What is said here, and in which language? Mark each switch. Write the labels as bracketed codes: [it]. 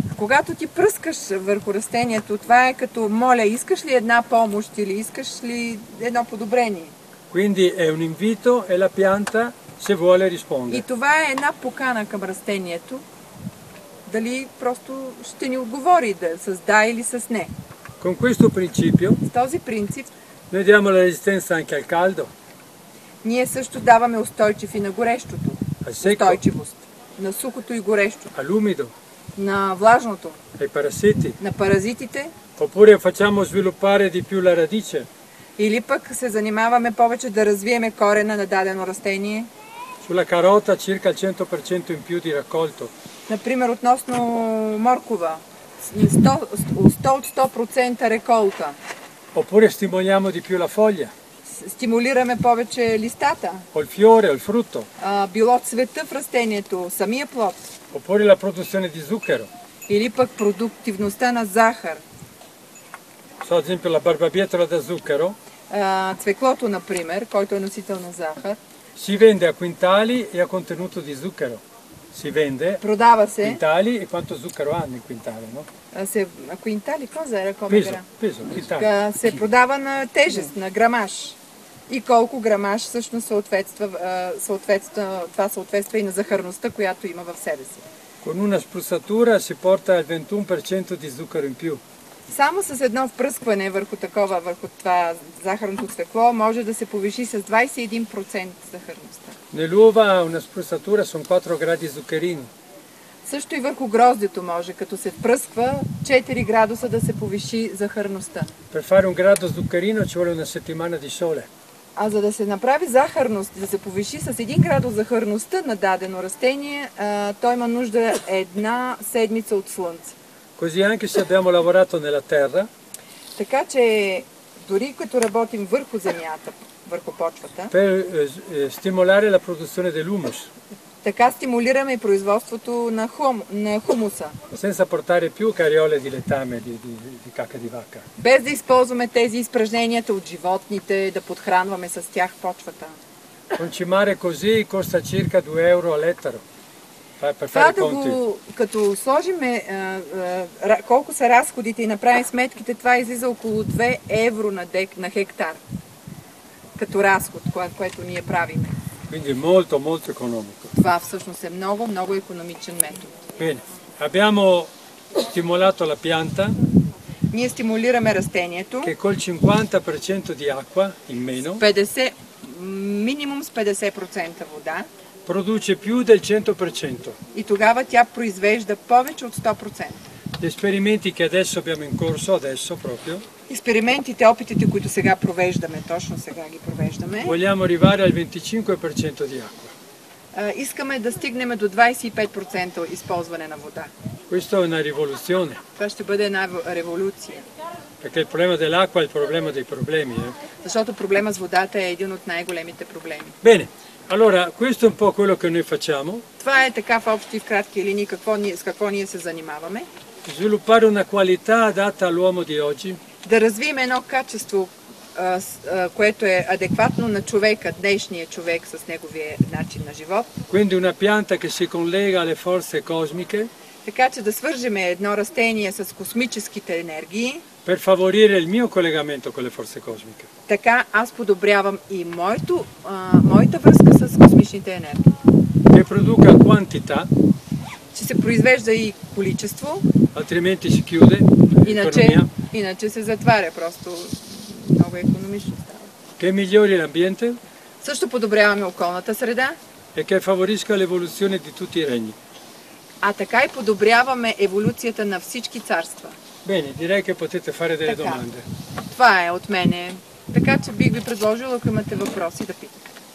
[bg] Когато ти пръскаш върху растението, това е като моля, искаш ли една помощ или искаш ли едно подобрение? [it] Quindi è un invito e la pianta se vuole risponde. [bg] И това е една покана към растението. Дали просто ще ни отговори да с да или с не. [it] Con questo principio. [bg] С този принцип. [it] Noi diamo la resistenza anche al caldo. [bg] Ние също даваме устойчив и на горещото. Устойчивост. На сухото и горещото. [it] Al umido. [bg] На влажното. [it] Ai parassiti. [bg] На паразитите. [it] Oppure facciamo sviluppare di più la radice. [bg] Или пък се занимаваме повече да развиеме корена на дадено растение. [it] Sulla carota circa il 100% in più di raccolto. [bg] Например, относно моркова. 100% реколта. [it] Oppure stimoliamo di più la foglia. [bg] Стимулираме повече листата. [it] Il fiore, il frutto. [bg] Било цвета в растението, самия плод. [it] Oppure la produzione di zucchero. [bg] Или пък продуктивността на захар. [it] So, ad esempio, la barbabietola da zucchero. [bg] Цвеклото, например, който е носител на захар. [it] Si vende a quintali e a contenuto di zucchero. Si vende. [bg] Продава се. [it] Quintali e quanto zucchero hanno in quintale, no? A quintali cosa era come peso, gram? Peso, quintali. [bg] Se продава на тежест, на грамаж. И колко грамаж всъщност съответства, това съответства и на захарността, която има в себе си. [it] Con una spruzzatura si porta al 21% di zucchero in più. [bg] Само с едно впръскване върху такова, върху това захарното цвекло, може да се повиши с 21% захарността. [it] Nell'uva una spruzzatura sono 4 gradi zuccherini. [bg] Също и върху гроздето може, като се впръсква 4 градуса да се повиши захарността. [it] Per fare un grado zuccherino ci vuole una settimana di sole. [bg] А за да се направи захарност, да се повиши с 1 градус захарността на дадено растение, той има нужда една седмица от слънце. [it] Così anche se abbiamo lavorato nella terra. [bg] Така че дори като работим върху земята, върху почвата. [it] Per stimolare la produzione dell'humus. [bg] Така стимулираме производството на хумуса. [it] Senza portare più carriole di letame di cacca di vacca. [bg] Без да използваме тези изпражненията от животните, да подхранваме с тях почвата. [it] Concimare così costa circa 2 euro all'ettaro. [bg] Това да го, като сложим колко са разходите и направим сметките, това излиза около 2 евро на хектар, като разход, което ние правим. [it] Quindi molto, molto economico. [bg] Това всъщност е много, много економичен метод. [it] Bene. Abbiamo stimolato la pianta. [bg] ние стимулираме растението. [it] Che col 50% di acqua in meno. [bg] Минимум с 50% вода. [it] Produce più del 100%. [bg] И тогава тя произвежда повече от 100%. [it] Gli esperimenti che adesso abbiamo in corso adesso proprio. [bg] Esperimentite, опитите, които сега провеждаме, точно сега ги провеждаме. [it] Vogliamo arrivare al 25% di acqua. [bg] Искаме да стигнем до 25% използване на вода. [it] Questo è una rivoluzione. [bg] Това ще бъде една революция. [it] Perché il problema dell'acqua è il problema dei problemi, eh? [bg] Защото проблема с водата е един от най-големите проблеми. [it] Bene. Allora, questo è un po' quello che noi facciamo. [bg] Това е така в общи в кратки линии какво ние с какво ние се занимаваме. [it] Sviluppare una qualità adatta all'uomo di oggi. [bg] Да развием едно качество, което е адекватно на човека, днешния човек с неговия начин на живот. [it] Quindi una pianta che si collega alle forze cosmiche. [bg] Така че да свържем едно растение с космическите енергии. [it] Per favorire il mio collegamento con le forze cosmiche. [bg] Така аз подобрявам и моята връзка с космичните енергии. [it] Che produca quantità. [bg] Че се произвежда и количество. [it] Altrimenti si chiude. [bg] Иначе се затваря просто много економично става. [it] Che migliori l'ambiente. [bg] Също подобряваме околната среда. [it] E che favorisca l'evoluzione di tutti i regni. [bg] А така и подобряваме еволюцията на всички царства. [it] Bene, direi che potete fare delle domande. [bg] Това е от мене. Така че бих ви предложила, ако имате въпроси, да питате.